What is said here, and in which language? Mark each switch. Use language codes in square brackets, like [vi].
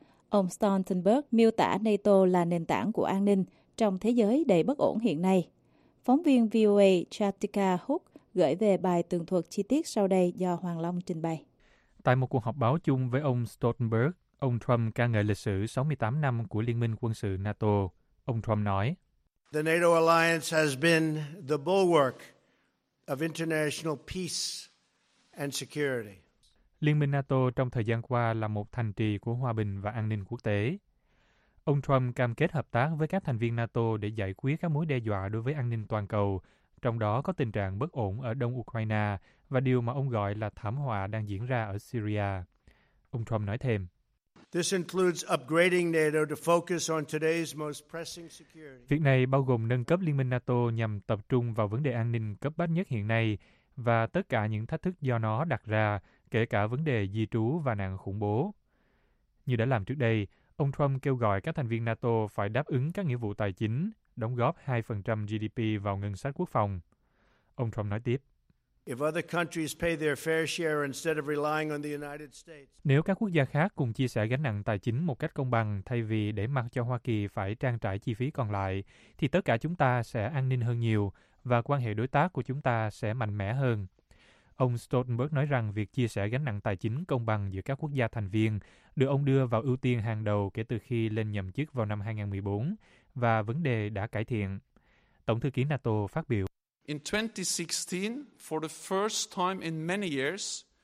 [vi] Ông Stoltenberg miêu tả NATO là nền tảng của an ninh trong thế giới đầy bất ổn hiện nay. Phóng viên VOA Chatika Hook gửi về bài tường thuật chi tiết sau đây do Hoàng Long trình bày. Tại một cuộc họp báo chung với ông Stoltenberg, ông Trump ca ngợi lịch sử 68 năm của Liên minh quân sự NATO. Ông Trump nói: [en] "The NATO alliance has been the bulwark of international peace and security." [vi] Liên minh NATO trong thời gian qua là một thành trì của hòa bình và an ninh quốc tế. Ông Trump cam kết hợp tác với các thành viên NATO để giải quyết các mối đe dọa đối với an ninh toàn cầu, trong đó có tình trạng bất ổn ở đông Ukraine và điều mà ông gọi là thảm họa đang diễn ra ở Syria. Ông Trump nói thêm: [en] "This includes upgrading NATO to focus on today's most pressing security." [vi] Việc này bao gồm nâng cấp liên minh NATO nhằm tập trung vào vấn đề an ninh cấp bách nhất hiện nay và tất cả những thách thức do nó đặt ra, kể cả vấn đề di trú và nạn khủng bố. Như đã làm trước đây, ông Trump kêu gọi các thành viên NATO phải đáp ứng các nghĩa vụ tài chính, đóng góp 2% GDP vào ngân sách quốc phòng. Ông Trump nói tiếp: [en] "If other countries pay their fair share instead of relying on the United States." [vi] Nếu các quốc gia khác cùng chia sẻ gánh nặng tài chính một cách công bằng thay vì để mặc cho Hoa Kỳ phải trang trải chi phí còn lại, thì tất cả chúng ta sẽ an ninh hơn nhiều và quan hệ đối tác của chúng ta sẽ mạnh mẽ hơn. Ông Stoltenberg nói rằng việc chia sẻ gánh nặng tài chính công bằng giữa các quốc gia thành viên được ông đưa vào ưu tiên hàng đầu kể từ khi lên nhậm chức vào năm 2014 và vấn đề đã cải thiện. Tổng thư ký NATO phát biểu: [en] "In 2016, for the first time in many years,